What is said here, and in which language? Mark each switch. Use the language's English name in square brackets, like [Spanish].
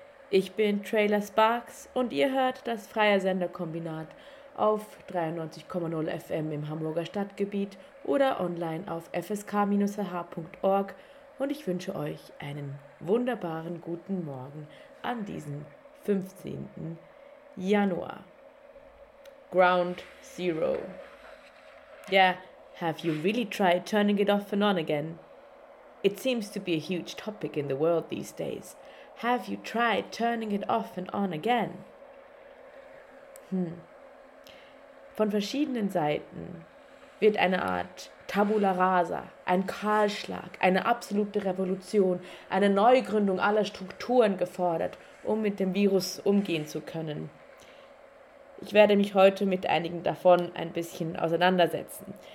[German] Ich bin Trailer Sparks und ihr hört das freie Senderkombinat auf 93,0 FM im Hamburger Stadtgebiet oder online auf fsk-h.org und ich wünsche euch einen wunderbaren guten Morgen an diesem 15. Januar. Ground Zero. [English] Yeah, have you really tried turning it off and on again? It seems to be a huge topic in the world these days. Have you tried turning it off and on again? [German] Von verschiedenen Seiten wird eine Art Tabula rasa, ein Kahlschlag, eine absolute Revolution, eine Neugründung aller Strukturen gefordert, um mit dem Virus umgehen zu können. Ich werde mich heute mit einigen davon ein bisschen auseinandersetzen.